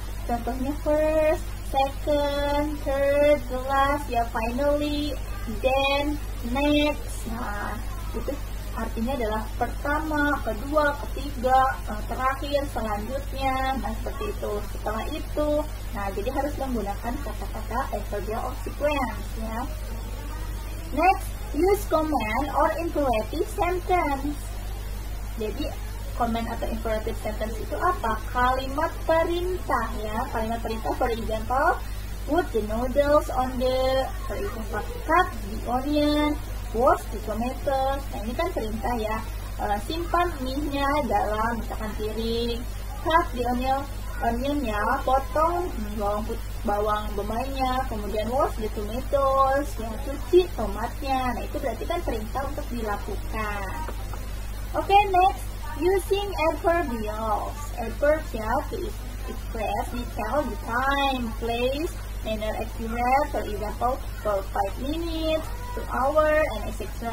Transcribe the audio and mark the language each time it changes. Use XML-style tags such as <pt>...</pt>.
<en>Contohnya first, second, third, the last, ya finally, then, next.</en> <id>Nah, itu artinya adalah pertama, kedua, ketiga, terakhir, selanjutnya. Nah, seperti itu. Setelah itu, nah jadi harus menggunakan kata-kata adverbial of sequence ya.</id> <en>Next, use comment or imperative sentence.</en> <id>Jadi comment atau imperative sentence itu apa? Kalimat perintah ya.</id> <en>Kalimat perintah, for example, put the noodles on the, for example, cut the onion, wash the tomatoes.</en> <id>Nah, ini kan perintah ya. Simpan mie-nya dalam misalkan piring.</id> <en>Cut the onion-nya,</en> <id>potong bawang bombay-nya, kemudian</id> <en>wash the tomatoes,</en> <id>ya, cuci tomatnya. Nah, itu berarti kan perintah untuk dilakukan.</id> <en>Okay, next, Using adverbials. Adverbials to express detail, the time, place, manner, accurate, for example, for 5 minutes, 2 hours, and etc.</en>